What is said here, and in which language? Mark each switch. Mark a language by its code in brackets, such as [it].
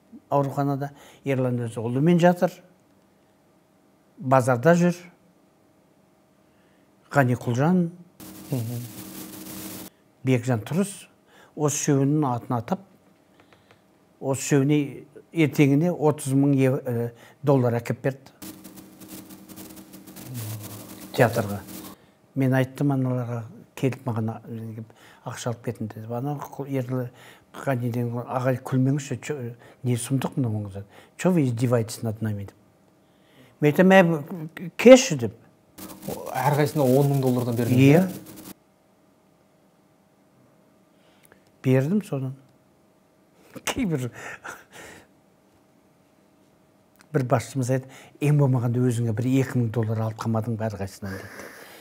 [kk] Ауруханада Ерлан өзі ұлымен жатыр, базарда жүр, Қани Құлжан, Бекжан Тұрыс, осы үшеуінің атын атап, осы үшеуіне ертеңіне 30 мың доллар әкеп берді театрға. Мен айттым аналарға, келіп маған ақша алып кетін деді. Ана Ерлан ағай күлмеңізші, не сұмдық мұны мұныңызды? [ru] Чо вы издеваетесь над нами [kk] деп. Мен айтамын, мә кеші деп. Әрқайсысына 10 мың доллардан бердіңіз бе? Бердім содан. Кейбір бір басшымыз айтты, ең болмағанда өзіңе бір 2 мың доллар алып қалмадың ба әрқайсысынан деді.